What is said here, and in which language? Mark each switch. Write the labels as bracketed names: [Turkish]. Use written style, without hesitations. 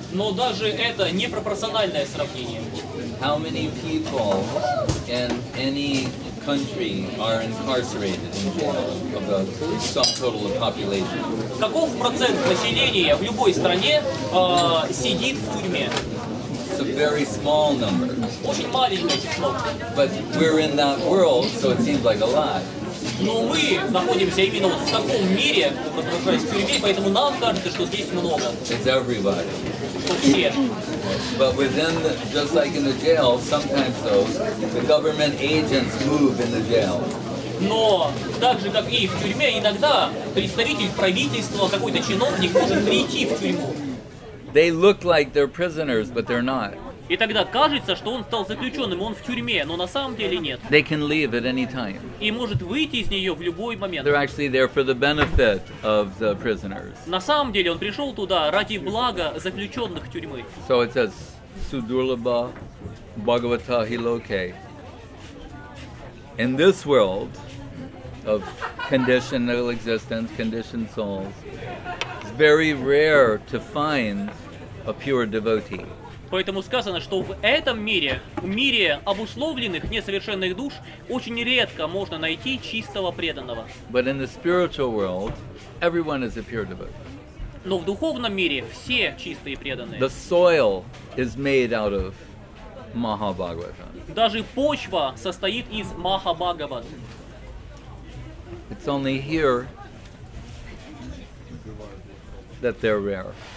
[Russian] Но даже это непропорциональное сравнение. [English] How many people in any country are incarcerated in jail of the sum total of population? [Russian] Каков процент населения в любой стране сидит в тюрьме? [English] It's a very small number. [Russian] Очень маленькое число. [English] But we're in that world, so it seems like a lot. [Russian] Но мы находимся именно вот в таком мире, в тюрьме, поэтому нам кажется, что здесь много. [English] It's everybody. [Russian] Все. [English] But within, just like in the jail, sometimes though, the government agents move in the jail. [Russian] Но так же, как и в тюрьме, иногда представитель правительства, какой-то чиновник может прийти в тюрьму. [English] They look like they're prisoners, but they're not. [Russian] И тогда кажется, что он стал заключенным, он в тюрьме, но на самом деле нет. [English] They can leave at any time. [Russian] И может выйти из нее в любой момент. [English] They're actually there for the benefit of the prisoners. [Russian] На самом деле он пришел туда ради блага заключенных тюрьмы. [English] So it says, Sudurlabha Bhagavata Hiloke. In this world of conditional existence, conditioned souls, it's very rare to find a pure devotee. [Russian] Поэтому сказано, что в этом мире, в мире обусловленных, несовершенных душ, очень редко можно найти чистого преданного. [English] But in the spiritual world, everyone is a pure devotee. [Russian] Но в духовном мире все чистые преданные. [English] The soil is made out of Mahabhagavata. [Russian] Даже почва состоит из Махабхагават. [English] It's only here that they're rare.